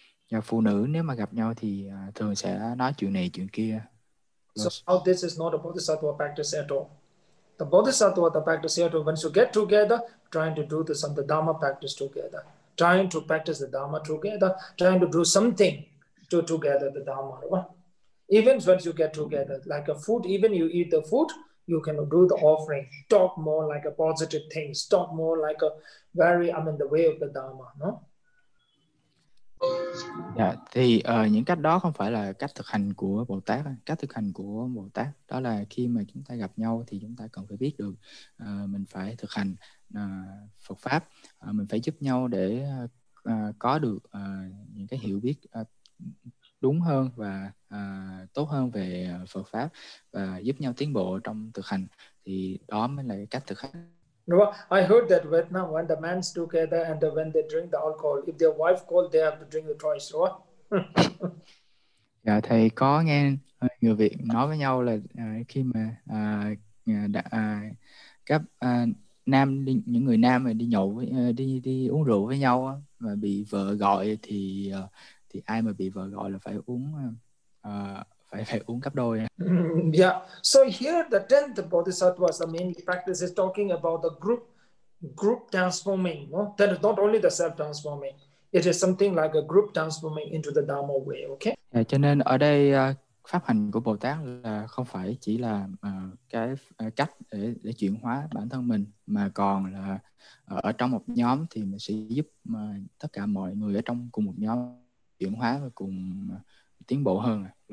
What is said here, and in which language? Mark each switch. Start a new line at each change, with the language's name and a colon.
Vietnamese: Dạ, phụ nữ nếu mà gặp nhau thì thường sẽ nói chuyện này chuyện kia.
English: So how this is not a Bodhisattva practice at all. The Bodhisattva, the practice at all, once you get together, trying to do the Dharma practice together, trying to practice the Dharma together, trying to do something to together the Dharma. Even once you get together, like a food, even you eat the food, you can do the offering, talk more like a positive thing, talk more like a very, the way of the Dharma, no?
Vietnamese: Dạ, thì những cách đó không phải là cách thực hành của Bồ Tát. Cách thực hành của Bồ Tát đó là khi mà chúng ta gặp nhau thì chúng ta cần phải biết được mình phải thực hành Phật Pháp, mình phải giúp nhau để có được những cái hiểu biết đúng hơn và tốt hơn về Phật Pháp, và giúp nhau tiến bộ trong thực hành, thì đó mới là cách thực hành.
English: I heard that Vietnam, when the men together and when they drink the alcohol, if their wife called, they have to drink the twice, right?
Vietnamese: Dạ, thầy có nghe người Việt nói với nhau là khi mà các nam đi, những người nam mà đi nhậu đi uống rượu với nhau mà bị vợ gọi thì ai mà bị vợ gọi là phải uống phải uống gấp đôi.
English: Yeah. So here the 10th Bodhisattva was the main practice is talking about the group transforming, no? That is not only the self transforming. It is something like a group transforming into the Dharma way, okay?
Vietnamese: Cho nên ở đây pháp hành của Bồ Tát là không phải chỉ là cái cách để chuyển hóa bản thân mình, mà còn là ở trong một nhóm thì mình sẽ giúp tất cả mọi người ở trong cùng một nhóm chuyển hóa và cùng tiến bộ hơn.